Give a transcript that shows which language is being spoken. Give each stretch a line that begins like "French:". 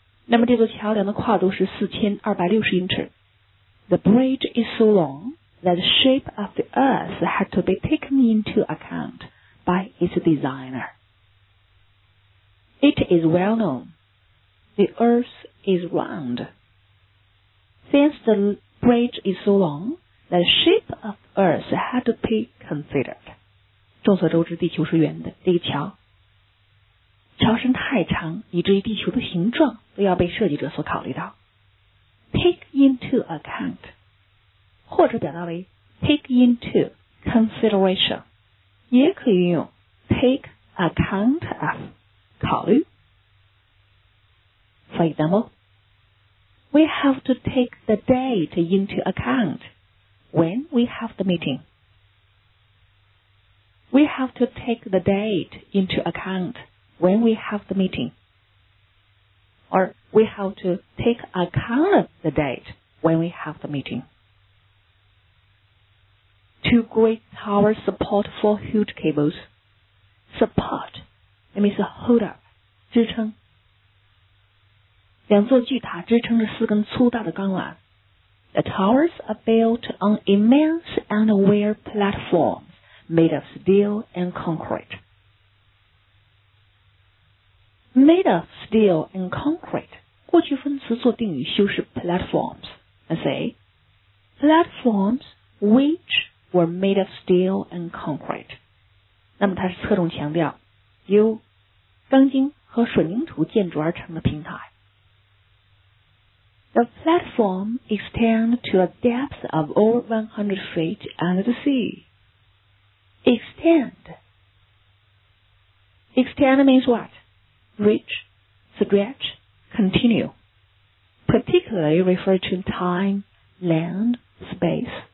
Chinese: 那么这座桥梁的跨度是4260英尺。
English: The bridge is so long that the shape of the earth had to be taken into account by its designer. It is well known. The earth is round. Since the bridge is so long, the shape of the earth had to be considered.
Chinese: 众所周知地球是圆的，这个桥。桥身太长，以至于地球的形状都要被设计者所考虑到。
English: Take into account,
Chinese: 或者表达为
English: take into consideration,
Chinese: 也可以运用
English: take account of,
Chinese: 考虑。
English: For example, we have to take the date into account when we have the meeting. We have to take the date into account. When we have the meeting, or we have to take account of the date when we have the meeting. Two great towers support four huge cables. Support, that means hold up,
Chinese: 支撑。两座巨塔支撑着四根粗大的钢缆。
English: The towers are built on immense and wire platforms made of steel and concrete. Made of steel and concrete.
Chinese: 过去分词做定语修饰
English: platforms. And say, platforms which were made of steel and concrete.
Chinese: 那么它是侧重强调由钢筋和水泥土建筑而成的平台。
English: The platform extend to a depth of over 100 feet under the sea. Extend. Extend means what? Reach, stretch, continue, particularly refer to time, land, space.